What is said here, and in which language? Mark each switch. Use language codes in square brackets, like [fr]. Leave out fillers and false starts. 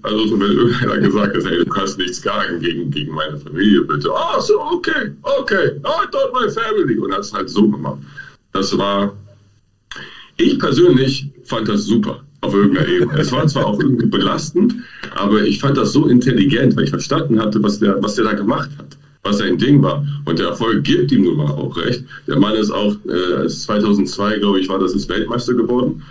[de] Also so, wenn irgendeiner gesagt hat, hey, du kannst nichts sagen gegen meine Familie, bitte. [en] Oh, so, okay, not touch my family. [de] Und hat es halt so gemacht. Das war... Ich persönlich fand das super, auf irgendeiner Ebene. Es war zwar auch irgendwie belastend, aber ich fand das so intelligent, weil ich verstanden hatte, was der da gemacht hat, was sein Ding war. Und der Erfolg gibt ihm nun mal auch recht. Der Mann ist auch, 2002, glaube ich, war das, ist Weltmeister geworden.